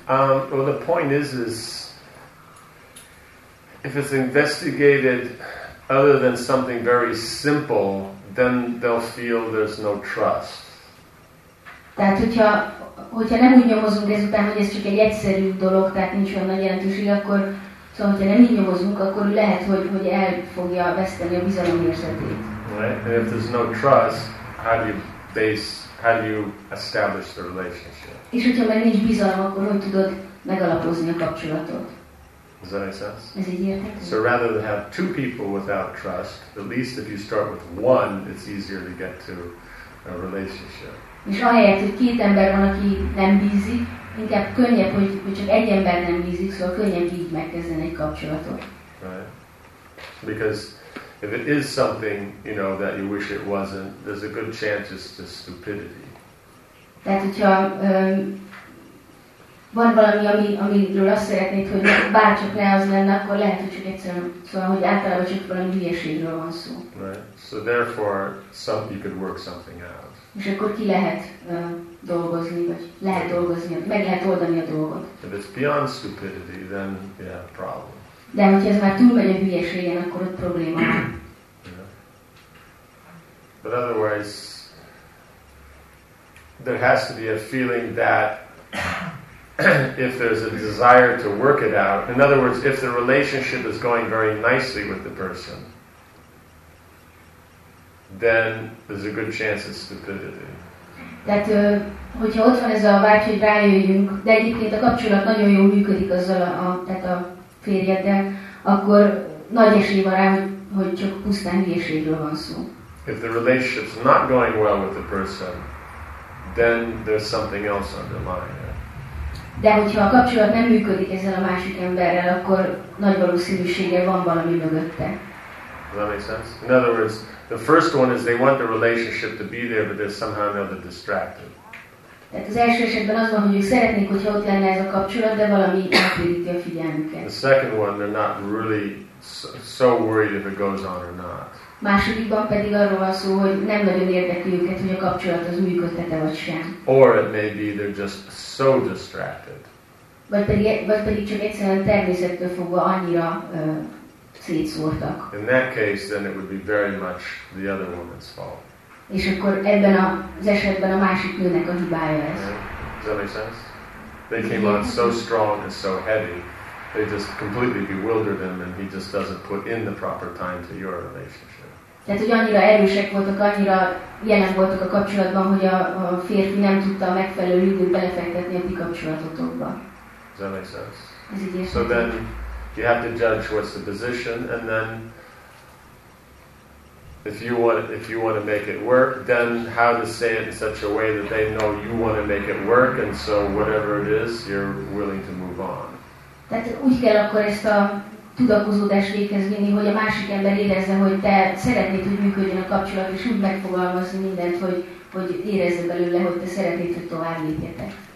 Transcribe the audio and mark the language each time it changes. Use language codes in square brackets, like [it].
[en] Well, the point is if it's investigated other than something very simple, then they'll feel there's no trust. [hu] Tehát hogyha nem úgy nyomozunk ezután, hogy ez csak egy egyszerű dolog, tehát nincs olyan nagy jelentőség, akkor szóval, hogyha nem így nyomozunk, akkor lehet, hogy el fogja veszteni a bizalomérzetét. [en] Right? And if there's no trust, how do you establish the relationship? [hu] És hogyha meg nincs bizalom, akkor hogy tudod megalapozni a kapcsolatot? [en] Does that make sense? [hu] Ez így érthető? [en] So rather than have two people without trust, at least if you start with one, it's easier to get to a relationship. [hu] És ahelyett, hogy két ember van, aki nem bízik, inkább könnyebb, hogy csak egy ember nem bízik, szóval könnyebb így megkezdeni egy kapcsolatot. [en] Right. Because if it is something, you know, that you wish it wasn't, there's a good chance it's just stupidity. [hu] Tehát, hogyha van valami, amiről azt szeretnéd, hogy bárcsak ne az lenne, akkor lehet, hogy csak egyszerűen, szóval, hogy általában csak valami hülyeségről van szó. [en] Right. So therefore, you could work something out. [hu] És akkor ki lehet dolgozni, vagy lehet dolgozni, meg lehet oldani a dolgot. [en] If it's beyond stupidity, then you have a problem. [hu] De hogyha ez már túlmegy a hülyeségen, akkor ott probléma van. [en] Yeah. But otherwise, there has to be a feeling that if there's a desire to work it out, in other words, if the relationship is going very nicely with the person, then there's a good chance it's stupidity. [hu] Tehát, hogyha ott van ez a vágy, hogy rájöjjünk, de egyébként a kapcsolat nagyon jól működik azzal a férjeddel, akkor nagy esély van rá, hogy csak pusztán hülyeségről van szó. [en] If the relationship's not going well with the person, then there's something else underlying it. [hu] De hogyha a kapcsolat nem működik ezzel a másik emberrel, akkor nagy valószínűséggel van valami mögötte. [en] Does that make sense? In other words, the first one is they want the relationship to be there, but they're somehow or another distracted. [hu] Tehát az első esetben az van, hogy ők szeretnék, hogyha ott lenne ez a kapcsolat, de valami elkülöníti a figyelmüket. [en] The second one, they're not really so worried if it goes on or not. [hu] Másodikban pedig arról van szó, hogy nem nagyon érdekli őket, hogy a kapcsolat az működtet-e vagy sem. [en] Or it may be they're just so distracted. [hu] Vagy pedig csak egyszerűen természettől fogva annyira szétszórtak. [en] In that case, then it would be very much the other woman's fault. [hu] És akkor ebben az esetben a másik nőnek a hibája ez. [en] Does that make sense? They came on so strong and so heavy, they just completely bewildered him, and he just doesn't put in the proper time to your relationship. [hu] Tehát, hogy annyira erősek voltak, annyira jelen voltak a kapcsolatban, hogy a férfi nem tudta a megfelelő időt belefektetni a ti kapcsolatotokba. [en] Does that make sense? [hu] Ez így [en] so then you have to judge what's the position, and then if you want to make it work, then how to say it in such a way that they know you want to make it work, and so whatever it is, you're willing to move on. [hu] Tehát úgy kell akkor ezt a tudakozódást véghez vinni, hogy a másik ember érezze, hogy te szeretnéd, hogy működjön a kapcsolat, és úgy megfogalmazni mindent, hogy érezze belőle, hogy te szeretnéd, hogy tovább lépjetek.